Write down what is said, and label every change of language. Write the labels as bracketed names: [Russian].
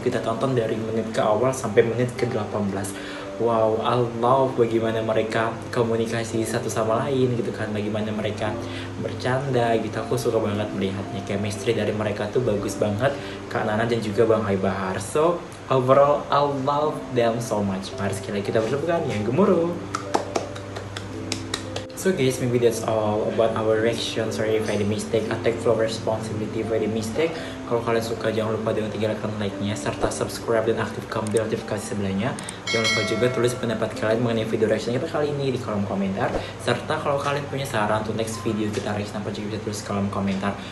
[Indonesian] Kita tonton dari menit ke awal sampai menit ke 18. [English] Wow, I love [Indonesian] bagaimana mereka komunikasi satu sama lain gitu kan. Bagaimana mereka bercanda gitu. Aku suka banget melihatnya. Chemistry dari mereka tuh bagus banget. Kak Nana dan juga Bang Hai Bahar. [English] So, overall I love them so much. [Indonesian] Mari sekali kita bertepukan yang gemuruh. [English] So guys, maybe that's all about our reaction. Sorry if I did mistake. I take full responsibility if I did mistake. [Indonesian] Kalau kalian suka, jangan lupa dengan tinggalkan like-nya serta subscribe dan aktifkan bel notifikasi sebelahnya. Jangan lupa juga tulis pendapat kalian mengenai video reaction kita kali ini di kolom komentar. Serta kalau kalian punya saran untuk [English] next video [Indonesian] kita reaction apa juga bisa tulis di kolom komentar.